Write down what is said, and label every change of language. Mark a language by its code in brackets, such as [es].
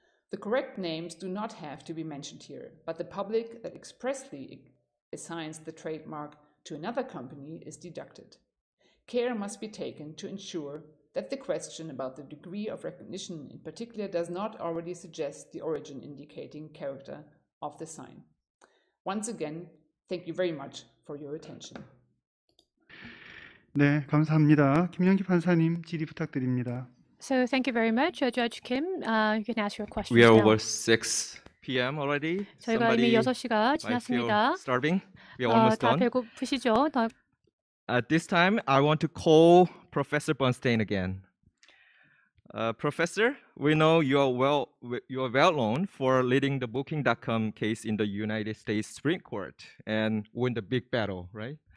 [en] The correct names do not have to be mentioned here, but the public that expressly assigns the trademark to another company is deducted. Care must be taken to ensure that the question about the degree of recognition in particular does not already suggest the origin indicating character of the sign. Once again, thank you very much for your attention. [ko] 네, 감사합니다. 김영기 판사님, 질의 부탁드립니다. [en] So thank you very much, Judge Kim. You can ask your questions. We are now. Over 6 p.m. already. [ko] 저희가 이미 6시가 지났습니다. [en] Feel starving. We are almost done. [ko] 다 배고프시죠? [en] At this time, I want to call Professor Bernstein again. Professor, we know you are well known for leading the Booking.com case in the United States Supreme Court and win the big battle, right?